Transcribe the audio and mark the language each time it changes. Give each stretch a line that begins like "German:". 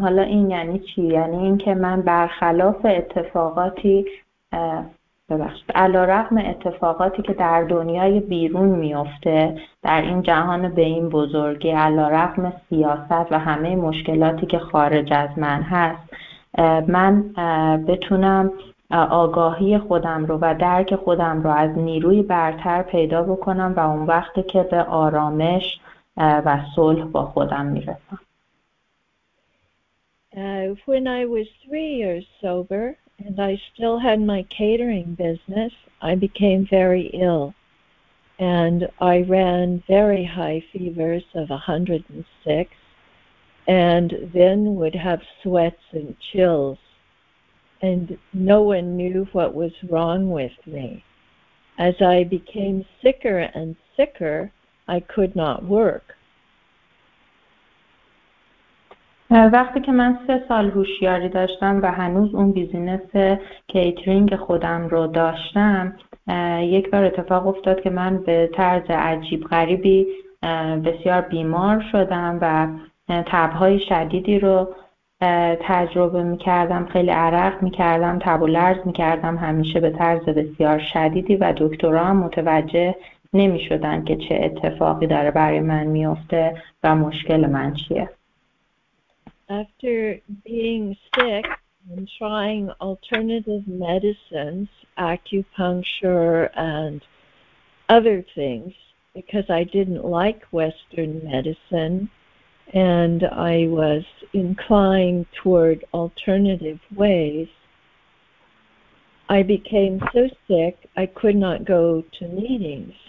Persian: حالا این یعنی چی؟ یعنی این که من برخلاف اتفاقاتی ببخشید علارغم اتفاقاتی که در دنیای بیرون میفته، در این جهان به این بزرگی، علارغم سیاست و همه مشکلاتی که خارج از من هست، من بتونم آگاهی خودم رو و درک خودم رو از نیروی برتر پیدا بکنم و اون وقتی که به آرامش و صلح با خودم میرسم.
English: When I was 3 years sober and I still had my catering business, I became very ill and I ran very high fevers of 106 and then would have sweats and chills. And no one knew what was wrong with me. As I became sicker and sicker, I could not work.
Persian: وقتی که من 3 سال هوشیاری داشتم و هنوز اون بیزینس کیترینگ خودم رو داشتم، یک بار اتفاق افتاد که من به طرز عجیب غریبی بسیار بیمار شدم و تب‌های شدیدی رو تجربه میکردم، خیلی عرق میکردم، تب و لرز میکردم همیشه به طرز بسیار شدیدی و دکترها هم متوجه نمیشدن که چه اتفاقی داره برای من میفته و مشکل من چیه.
English: After being sick and trying alternative medicines, acupuncture and other things, because I didn't like Western medicine, and I was inclined toward alternative ways, I became so sick I could not go to meetings.